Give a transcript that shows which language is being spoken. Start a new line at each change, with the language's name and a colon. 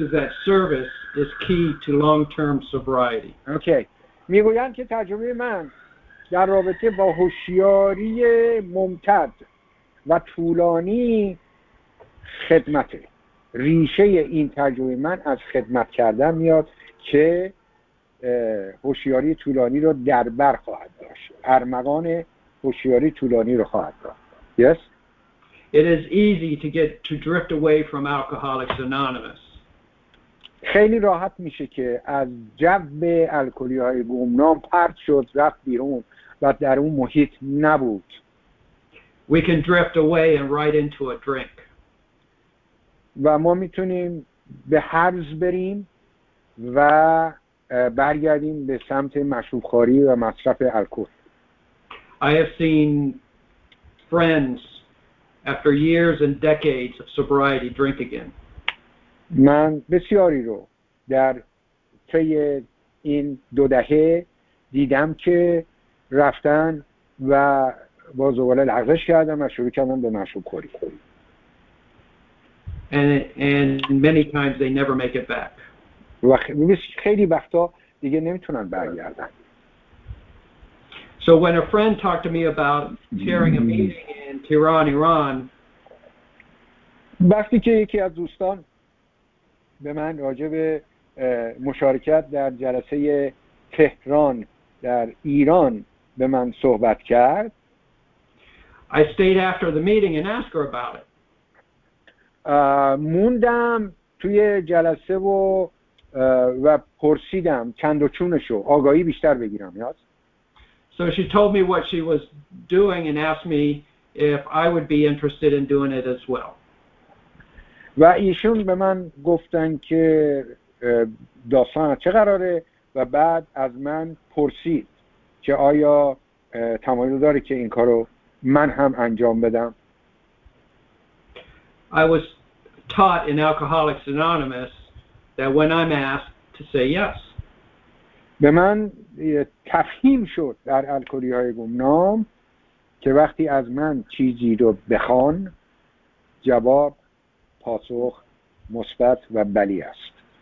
English: is that service is key to long-term sobriety. Okay.
Persian: میگویند که تجربه من در رابطه با هوشیاری ممتد و طولانی خدمته. ریشه این تجربه من از خدمت کردن میاد که هوشیاری طولانی رو در بر خواهد داشت. ارمغان هوشیاری طولانی رو خواهد داشت.
English: Yes. It is easy to get to drift away from Alcoholics Anonymous.
Persian: خیلی راحت میشه که از جو الکلی‌های گمنام پرت شد، رفت بیرون و در اون محیط نبود.
English: We can drift away and right into a drink.
Persian: و ما میتونیم به حرز بریم و برگردیم به سمت مشروب‌خواری و مصرف الکل.
English: I have seen friends after years and decades of sobriety drink again.
Persian: من بسیاری رو در طی این دو دهه دیدم که رفتن و با زباله لغزش کردم و شروع کردم به مشروب خوری.
English: And many times they never make it back.
Persian: خیلی وقتا دیگه نمیتونن برگردن.
English: So when a friend talked to me about chairing a meeting in Tehran, Iran,
Persian: وقتی که یکی از دوستان به من راجع به مشارکت در جلسه تهران در ایران به من صحبت کرد،
English: I stayed after the meeting and asked her about it.
Persian: موندم توی جلسه و و پرسیدم چند و چونشو آگاهی بیشتر بگیرم یاد.
English: So she told me what she was doing and asked me if I would be interested in doing it as well.
Persian: و ایشون به من گفتن که داستان چه قراره و بعد از من پرسید که آیا تمایل داره که این کارو من هم انجام بدم.
English: I was taught in Alcoholics Anonymous that when I'm asked to say yes.
Persian: به من تفهیم شد در الکلی‌های گمنام که وقتی از من چیزی رو بخوان جواب پاسخ مثبت و بلی است.